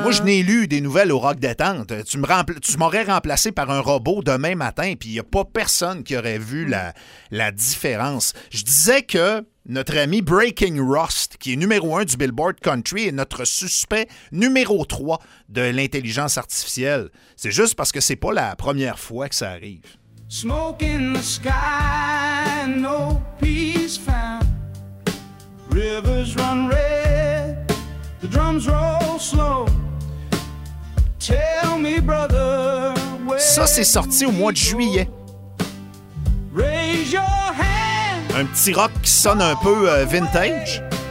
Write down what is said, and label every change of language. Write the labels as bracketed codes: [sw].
[fr] Moi, je n'ai lu des nouvelles au rock détente. Tu m'aurais remplacé par un robot demain matin, puis il n'y a pas personne qui aurait vu la différence. Je disais que notre ami Breaking Rust, qui est numéro 1 du Billboard Country, est notre suspect numéro 3 de l'intelligence artificielle. C'est juste parce que c'est pas la première fois que ça arrive. [en] Smoke in the sky, no peace found. Rivers run red, the drums roll slow. Tell me, brother, where. [fr] Ça, c'est sorti au mois de juillet. [en] Raise your hand. [fr] Un petit rock qui sonne un peu vintage.